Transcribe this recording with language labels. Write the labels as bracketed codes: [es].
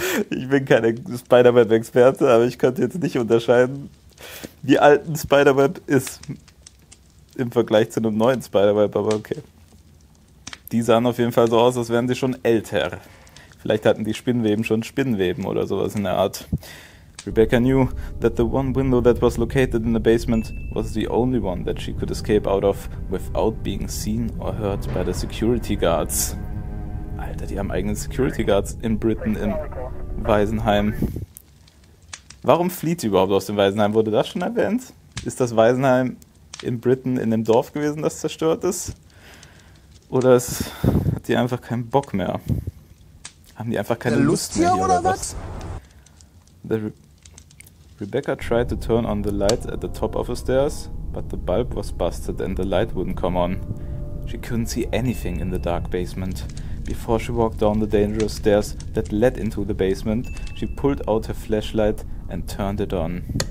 [de] Ich bin keine Spider-Web-Experte, aber ich könnte jetzt nicht unterscheiden, wie alt ein Spider-Web ist im Vergleich zu einem neuen Spider-Web, aber okay. Die sahen auf jeden Fall so aus, als wären sie schon älter. Vielleicht hatten die Spinnweben schon Spinnweben oder sowas in der Art. [en] Rebecca knew that the one window that was located in the basement was the only one that she could escape out of without being seen or heard by the security guards. [de] Alter, die haben eigene Security Guards in Britain im Waisenheim. Warum flieht sie überhaupt aus dem Waisenheim? Wurde das schon erwähnt? Ist das Waisenheim in Britain in dem Dorf gewesen, das zerstört ist? Oder hat die einfach keinen Bock mehr? Haben die einfach keine Lust mehr hier oder was? [en] Rebecca tried to turn on the light at the top of the stairs, but the bulb was busted and the light wouldn't come on. She couldn't see anything in the dark basement. Before she walked down the dangerous stairs that led into the basement, she pulled out her flashlight and turned it on.